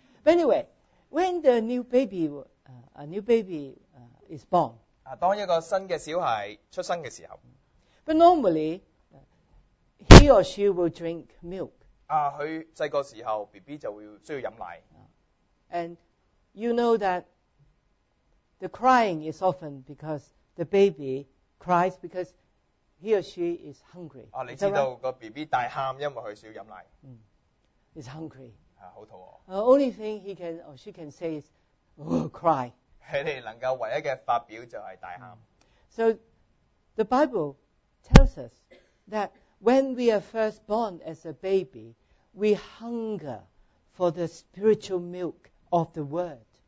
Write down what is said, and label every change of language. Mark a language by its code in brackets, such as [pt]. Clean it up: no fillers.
[en] But anyway, when the new baby, a new baby is born, [zh] 当一个新的小孩出生的时候, [en] but normally, he or she will drink milk. [zh] 他小时候, BB 就需要喝奶。 [en] And you know that the crying is often because the baby cries because he or she is hungry. [zh] 你知道, BB 大喊, 因为他需要喝奶。 [en] He's hungry. [zh] 很肚饿。 [en] The only thing he can or she can say is, oh, cry. [zh] 他们能够唯一的发表就是大喊。 [en] So, the Bible tells us that when we are first born as a baby, we hunger for the spiritual milk of the Word.